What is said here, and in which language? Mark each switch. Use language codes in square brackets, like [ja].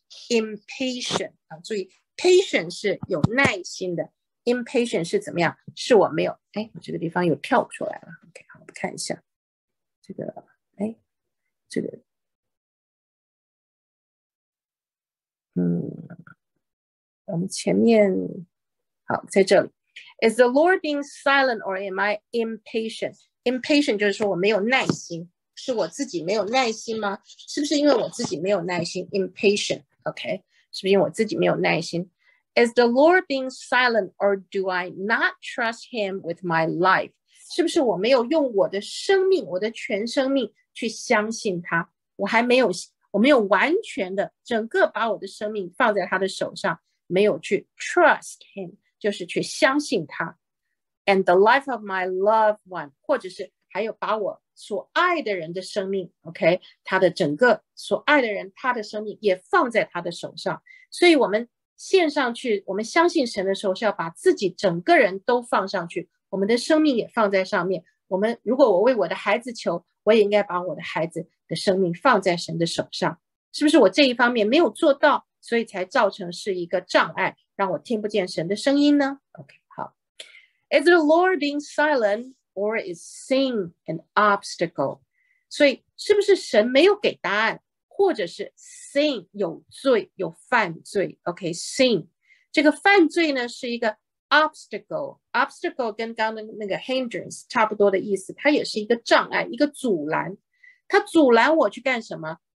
[zh] impatient 啊，注意 patient 是有耐心的， impatient 是怎么样，是我没有，哎，这个地方又跳出来了。 OK， 好，我们看一下这个，哎，这个我们前面，好，在这里 [en] Is the Lord being silent or am I impatient？ [zh] Impatient 就是说我没有耐心，是我自己没有耐心吗？是不是因为我自己没有耐心 impatient？ OK， 是不是因为我自己没有耐心？ [en] Is the Lord being silent or do I not trust him with my life？ [zh] 是不是我没有用我的生命，我的全生命去相信他，我没有完全的整个把我的生命放在他的手上，没有去 [en] trust him， [zh] 就是去相信他。 [en] And the life of my loved one， [zh] 或者是还有把我所爱的人的生命， OK， 他的整个所爱的人他的生命也放在他的手上。所以我们献上去，我们相信神的时候是要把自己整个人都放上去，我们的生命也放在上面。我们如果我为我的孩子求，我也应该把我的孩子的生命放在神的手上，是不是我这一方面没有做到，所以才造成是一个障碍，让我听不见神的声音呢？ OK， 好。 [en] Is the Lord being silent or is sin an obstacle？ [zh] 所以是不是神没有给答案，或者是 sin 有罪有犯罪？ OK， sin 这个犯罪呢是一个 obstacle 跟刚刚那个 hindrance 差不多的意思，它也是一个障碍，一个阻拦，他阻拦我去干什么？